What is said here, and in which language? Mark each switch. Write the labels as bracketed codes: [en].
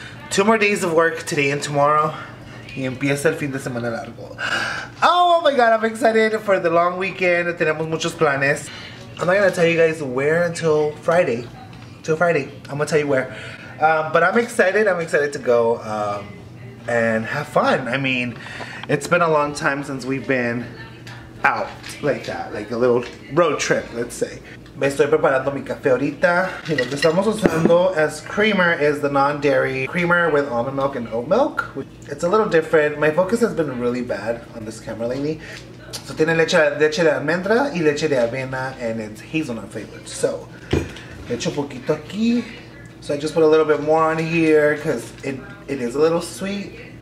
[en] Two more days of work today and tomorrow. [es] Y empieza el fin de semana largo. [en] Oh my god, I'm excited for the long weekend. [es] Tenemos muchos planes. [en] I'm not gonna tell you guys where until Friday. Till Friday, I'm gonna tell you where. But I'm excited to go and have fun. I mean, it's been a long time since we've been out like that, like a little road trip, let's say. [es] Me estoy preparando mi café ahorita. Y lo que estamos usando [en] as creamer is the non-dairy creamer with almond milk and oat milk. It's a little different. My focus has been really bad on this camera lately. So [es] tiene leche de almendra y leche de avena, [en] and it's hazelnut flavored. So, [es] le echo poquito aquí. [en] So I just put a little bit more on here because it is a little sweet.